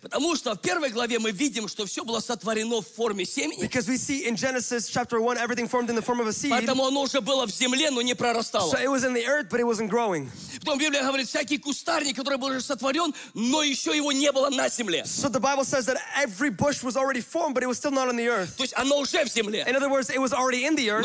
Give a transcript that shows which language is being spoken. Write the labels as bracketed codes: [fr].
[ru] Потому что в первой главе мы видим, что все было сотворено в форме семени. [en] Because we see in Genesis chapter 1, everything formed in the form of a seed. [ru] Поэтому оно уже было в земле, но не прорастало. [en] So it was in the earth, but it wasn't growing. [ru] Потом Библия говорит, всякий кустарник, который был уже сотворен, но еще его не было на земле. [en] So the Bible says that every bush was already formed, but it was still not on the earth. [ru] То есть оно уже в земле. [en] In other words, it was already in the earth.